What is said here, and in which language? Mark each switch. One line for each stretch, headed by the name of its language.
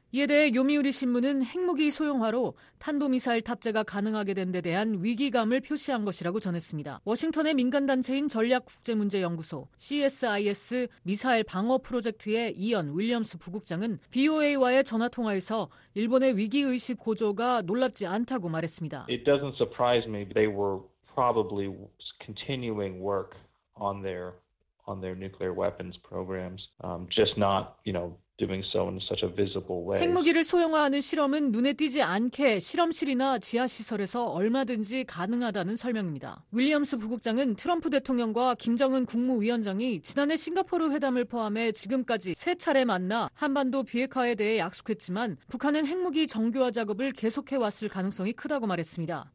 Korean: 이에 대해 요미우리 신문은 핵무기 소형화로 탄도미사일 탑재가 가능하게 된 데 대한 위기감을 표시한 것이라고 전했습니다. 워싱턴의 민간단체인 전략국제문제연구소 CSIS 미사일 방어 프로젝트의 이언 윌리엄스 부국장은 BOA와의 전화통화에서 일본의 위기의식 고조가 놀랍지 않다고 말했습니다.
English: It doesn't surprise me. They were probably continuing work on their nuclear weapons programs. Just not, you know, doing so in such a visible way.
Korean: 핵무기를 소형화하는 실험은 눈에 띄지 않게 실험실이나 지하시설에서 얼마든지 가능하다는 설명입니다. 윌리엄스 부국장은 트럼프 대통령과 김정은 국무위원장이 지난해 싱가포르 회담을 포함해 지금까지 세 차례 만나 한반도 비핵화에 대해 약속했지만 북한은 핵무기 정교화 작업을 계속해왔을 가능성이 크다고 말했습니다.